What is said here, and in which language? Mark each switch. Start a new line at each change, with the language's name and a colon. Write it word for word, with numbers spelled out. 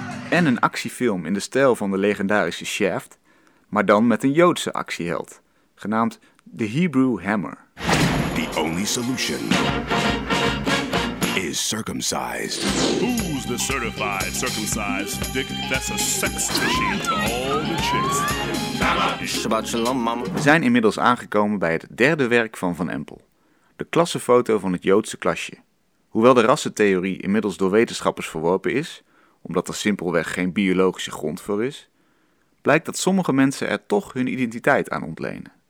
Dutch: En een actiefilm in de stijl van de legendarische Shaft, maar dan met een Joodse actieheld, genaamd The Hebrew Hammer.
English: The only solution is circumcised. Who's the certified circumcised dick? That's a sex machine to all the chicks.
Hebrew: Shabbat shalom, mama.
Dutch: We zijn inmiddels aangekomen bij het derde werk van Van Empel. De klassenfoto van het Joodse klasje. Hoewel de rassentheorie inmiddels door wetenschappers verworpen is, omdat er simpelweg geen biologische grond voor is, blijkt dat sommige mensen er toch hun identiteit aan ontlenen.